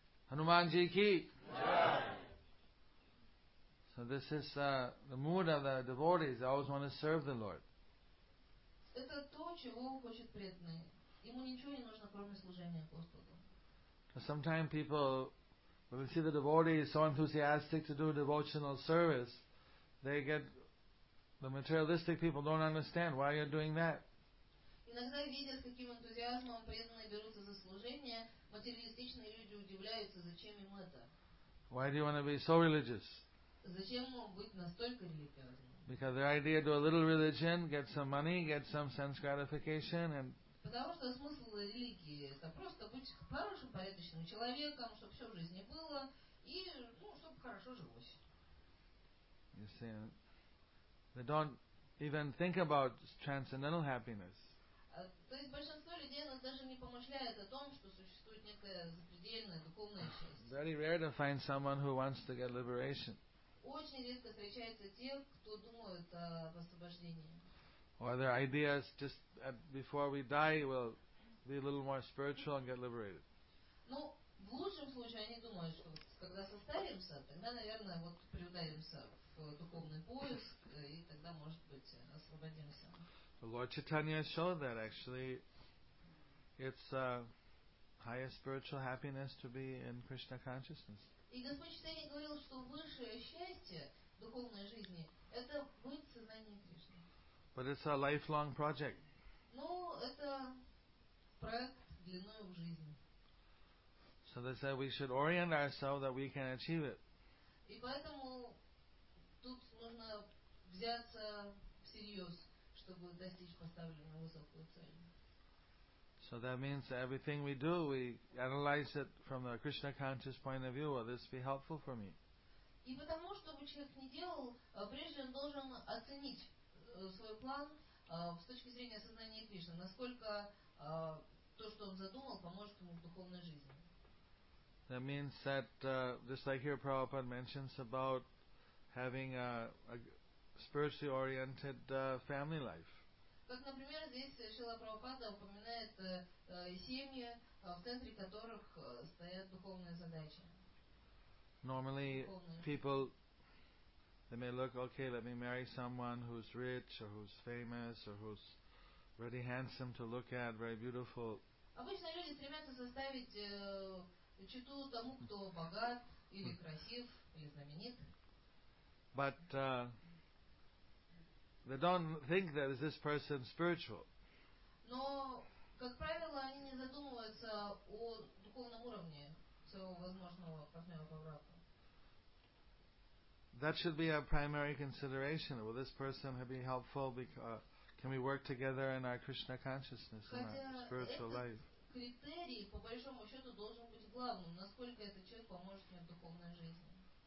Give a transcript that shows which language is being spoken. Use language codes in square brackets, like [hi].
[hi] Hanuman ji ki. [en] So this is the mood of the devotees. They always want to serve the Lord. [ru] Это то, чего хочет преданный. Ему ничего не нужно, кроме служения Господу. [en] Sometimes people When we see the devotee is so enthusiastic to do devotional service, they get, the materialistic people don't understand why you're doing that. [ru] Иногда, видя, с каким энтузиазмом преданные берутся за служение, материалистичные люди удивляются, зачем им это. [en] Why do you want to be so religious? [ru] Зачем ему быть настолько религиозным? [en] Because their idea to do a little religion, get some money, get some sense gratification, and [ru] потому что смысл религии это просто быть хорошим, порядочным человеком, чтобы все в жизни было, и ну, чтобы хорошо жилось. [en] You see, they don't even think about transcendental happiness. [ru] То есть большинство людей даже не помышляет о том, что существует некая запредельная духовная часть. [en] Very rare to find someone who wants to get liberation. [ru] Очень редко встречается тех, кто думает о освобождении. [en] Or their idea is just before we die, we'll be a little more spiritual and get liberated. [ru] Ну, в лучшем случае они думают, что когда состаримся, тогда, наверное, вот приударимся в духовный поиск, и тогда, может быть, освободимся. [en] Lord Chaitanya showed that actually it's the highest spiritual happiness to be in Krishna consciousness. [ru] И Господь Читания говорил, что высшее счастье духовной жизни это быть в сознании Кришны. [en] But it's a lifelong project. [ru] Ну, это проект длиною в жизнь. [en] So they said we should orient ourselves that we can achieve it. [ru] И поэтому тут нужно взяться всерьез, чтобы достичь поставленной высокой цели. [en] So that means everything we do, we analyze it from the Krishna conscious point of view. Will this be helpful for me? [ru] И потому, чтобы человек не делал, прежде он должен оценить свой план с точки зрения сознания Кришны, насколько то, что он задумал, поможет ему в духовной жизни. [en] That means that, just like here Prabhupada mentions about having a spiritually oriented family life. [ru] Как, например, здесь Шрила Прабхупада упоминает семьи, в центре которых стоят духовные задачи. [en] Normally, [ru] духовные. [en] People, they may look, okay, let me marry someone who's rich, or who's famous, or who's really handsome to look at, very beautiful. [ru] Обычно люди стремятся составить чету тому, кто богат, или красив, или знаменит. [en] But, they don't think that is this person spiritual. [ru] Но, как правило, они не задумываются о духовном уровне своего возможного партнера по браку. [en] That should be a primary consideration. Will this person be helpful? Can we work together in our Krishna consciousness, [ru] хотя [en] in our spiritual [ru] этот [en] life? [ru] Критерий, по большому счету, должен быть главным. Насколько этот человек поможет мне в духовной жизни?